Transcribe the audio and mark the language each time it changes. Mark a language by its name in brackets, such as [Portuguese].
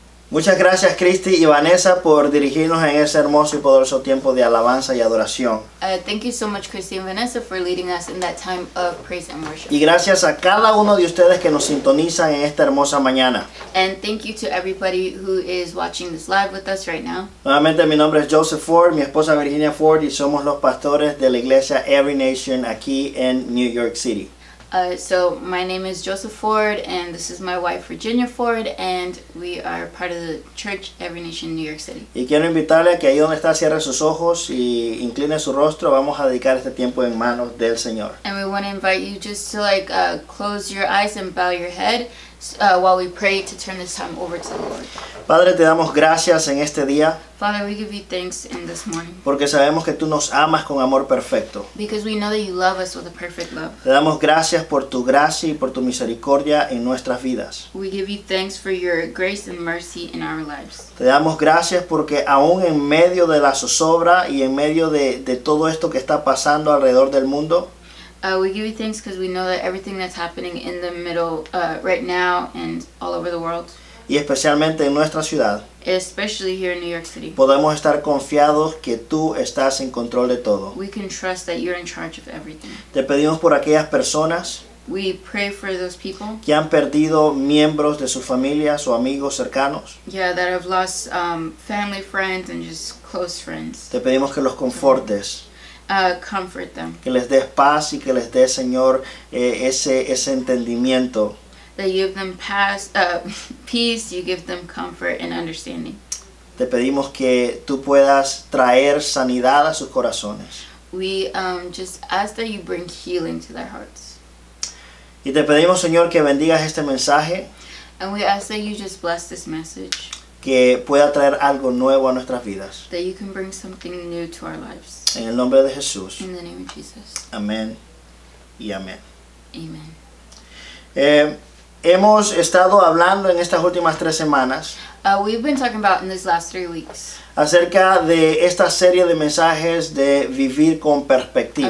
[Spanish] Muchas gracias, Christy y Vanessa, por dirigirnos en ese hermoso y poderoso tiempo de alabanza y adoración. [English] Thank you so much, Christy and Vanessa, for leading us in that time of praise and worship. [Spanish] Y gracias a cada uno de ustedes que nos sintonizan en esta hermosa mañana. [English] And thank you to everybody who is watching this live with us right now. [Spanish] Nuevamente, mi nombre es Joseph Ford, mi esposa Virginia Ford, y somos los pastores de la iglesia Every Nation aquí en New York City. [English] So my name is Joseph Ford, and this is my wife Virginia Ford, and we are part of the church Every Nation in New York City. [Spanish] Y quiero invitarle a que ahí donde está cierre sus ojos y incline su rostro. Vamos a dedicar este tiempo en manos del Señor. [English] And we want to invite you just to close your eyes and bow your head while we pray to turn this time over to the Lord. [Spanish] Padre, te damos gracias en este día. [English] Father, we give you thanks in this morning. [Spanish] Porque sabemos que tú nos amas con amor perfecto. [English] Because we know that you love us with a perfect love. [Spanish] Te damos gracias por tu gracia y por tu misericordia en nuestras vidas. [English] We give you thanks for your grace and mercy in our lives. [Spanish] Te damos gracias porque aún en medio de la zozobra y en medio de todo esto que está pasando alrededor del mundo. [English] We give you thanks because we know that everything that's happening in the middle right now and all over the world. [Spanish] Y especialmente en nuestra ciudad. [English] Especially here in New York City. [Spanish] Podemos estar confiados que tú estás en control de todo. [English] We can trust that you're in charge of everything. [Spanish] Te pedimos por aquellas personas. [English] We pray for those people. [Spanish] Que han perdido miembros de sus familias o amigos cercanos. [English] Yeah, that have lost family, friends, and just close friends. [Spanish] Te pedimos que los confortes. [English] Comfort them. [Spanish] Que les des paz y que les des, Señor, ese entendimiento. [English] That you give them peace, you give them comfort and understanding. [Spanish] Te pedimos que tú puedas traer sanidad a sus corazones. [English] We just ask that you bring healing to their hearts. [Spanish] Y te pedimos, Señor, que bendigas este mensaje. [English] And we ask that you just bless this message. [Spanish] Que pueda traer algo nuevo a nuestras vidas. [English] That you can bring something new to our lives. [Spanish] En el nombre de Jesús. [English] In the name of Jesus. [Spanish] Amén y amén. [English] Amen. [Spanish] Hemos estado hablando en estas últimas tres semanas. [English] We've been talking about in these last 3 weeks. [Spanish] Acerca de esta serie de mensajes de vivir con perspectiva.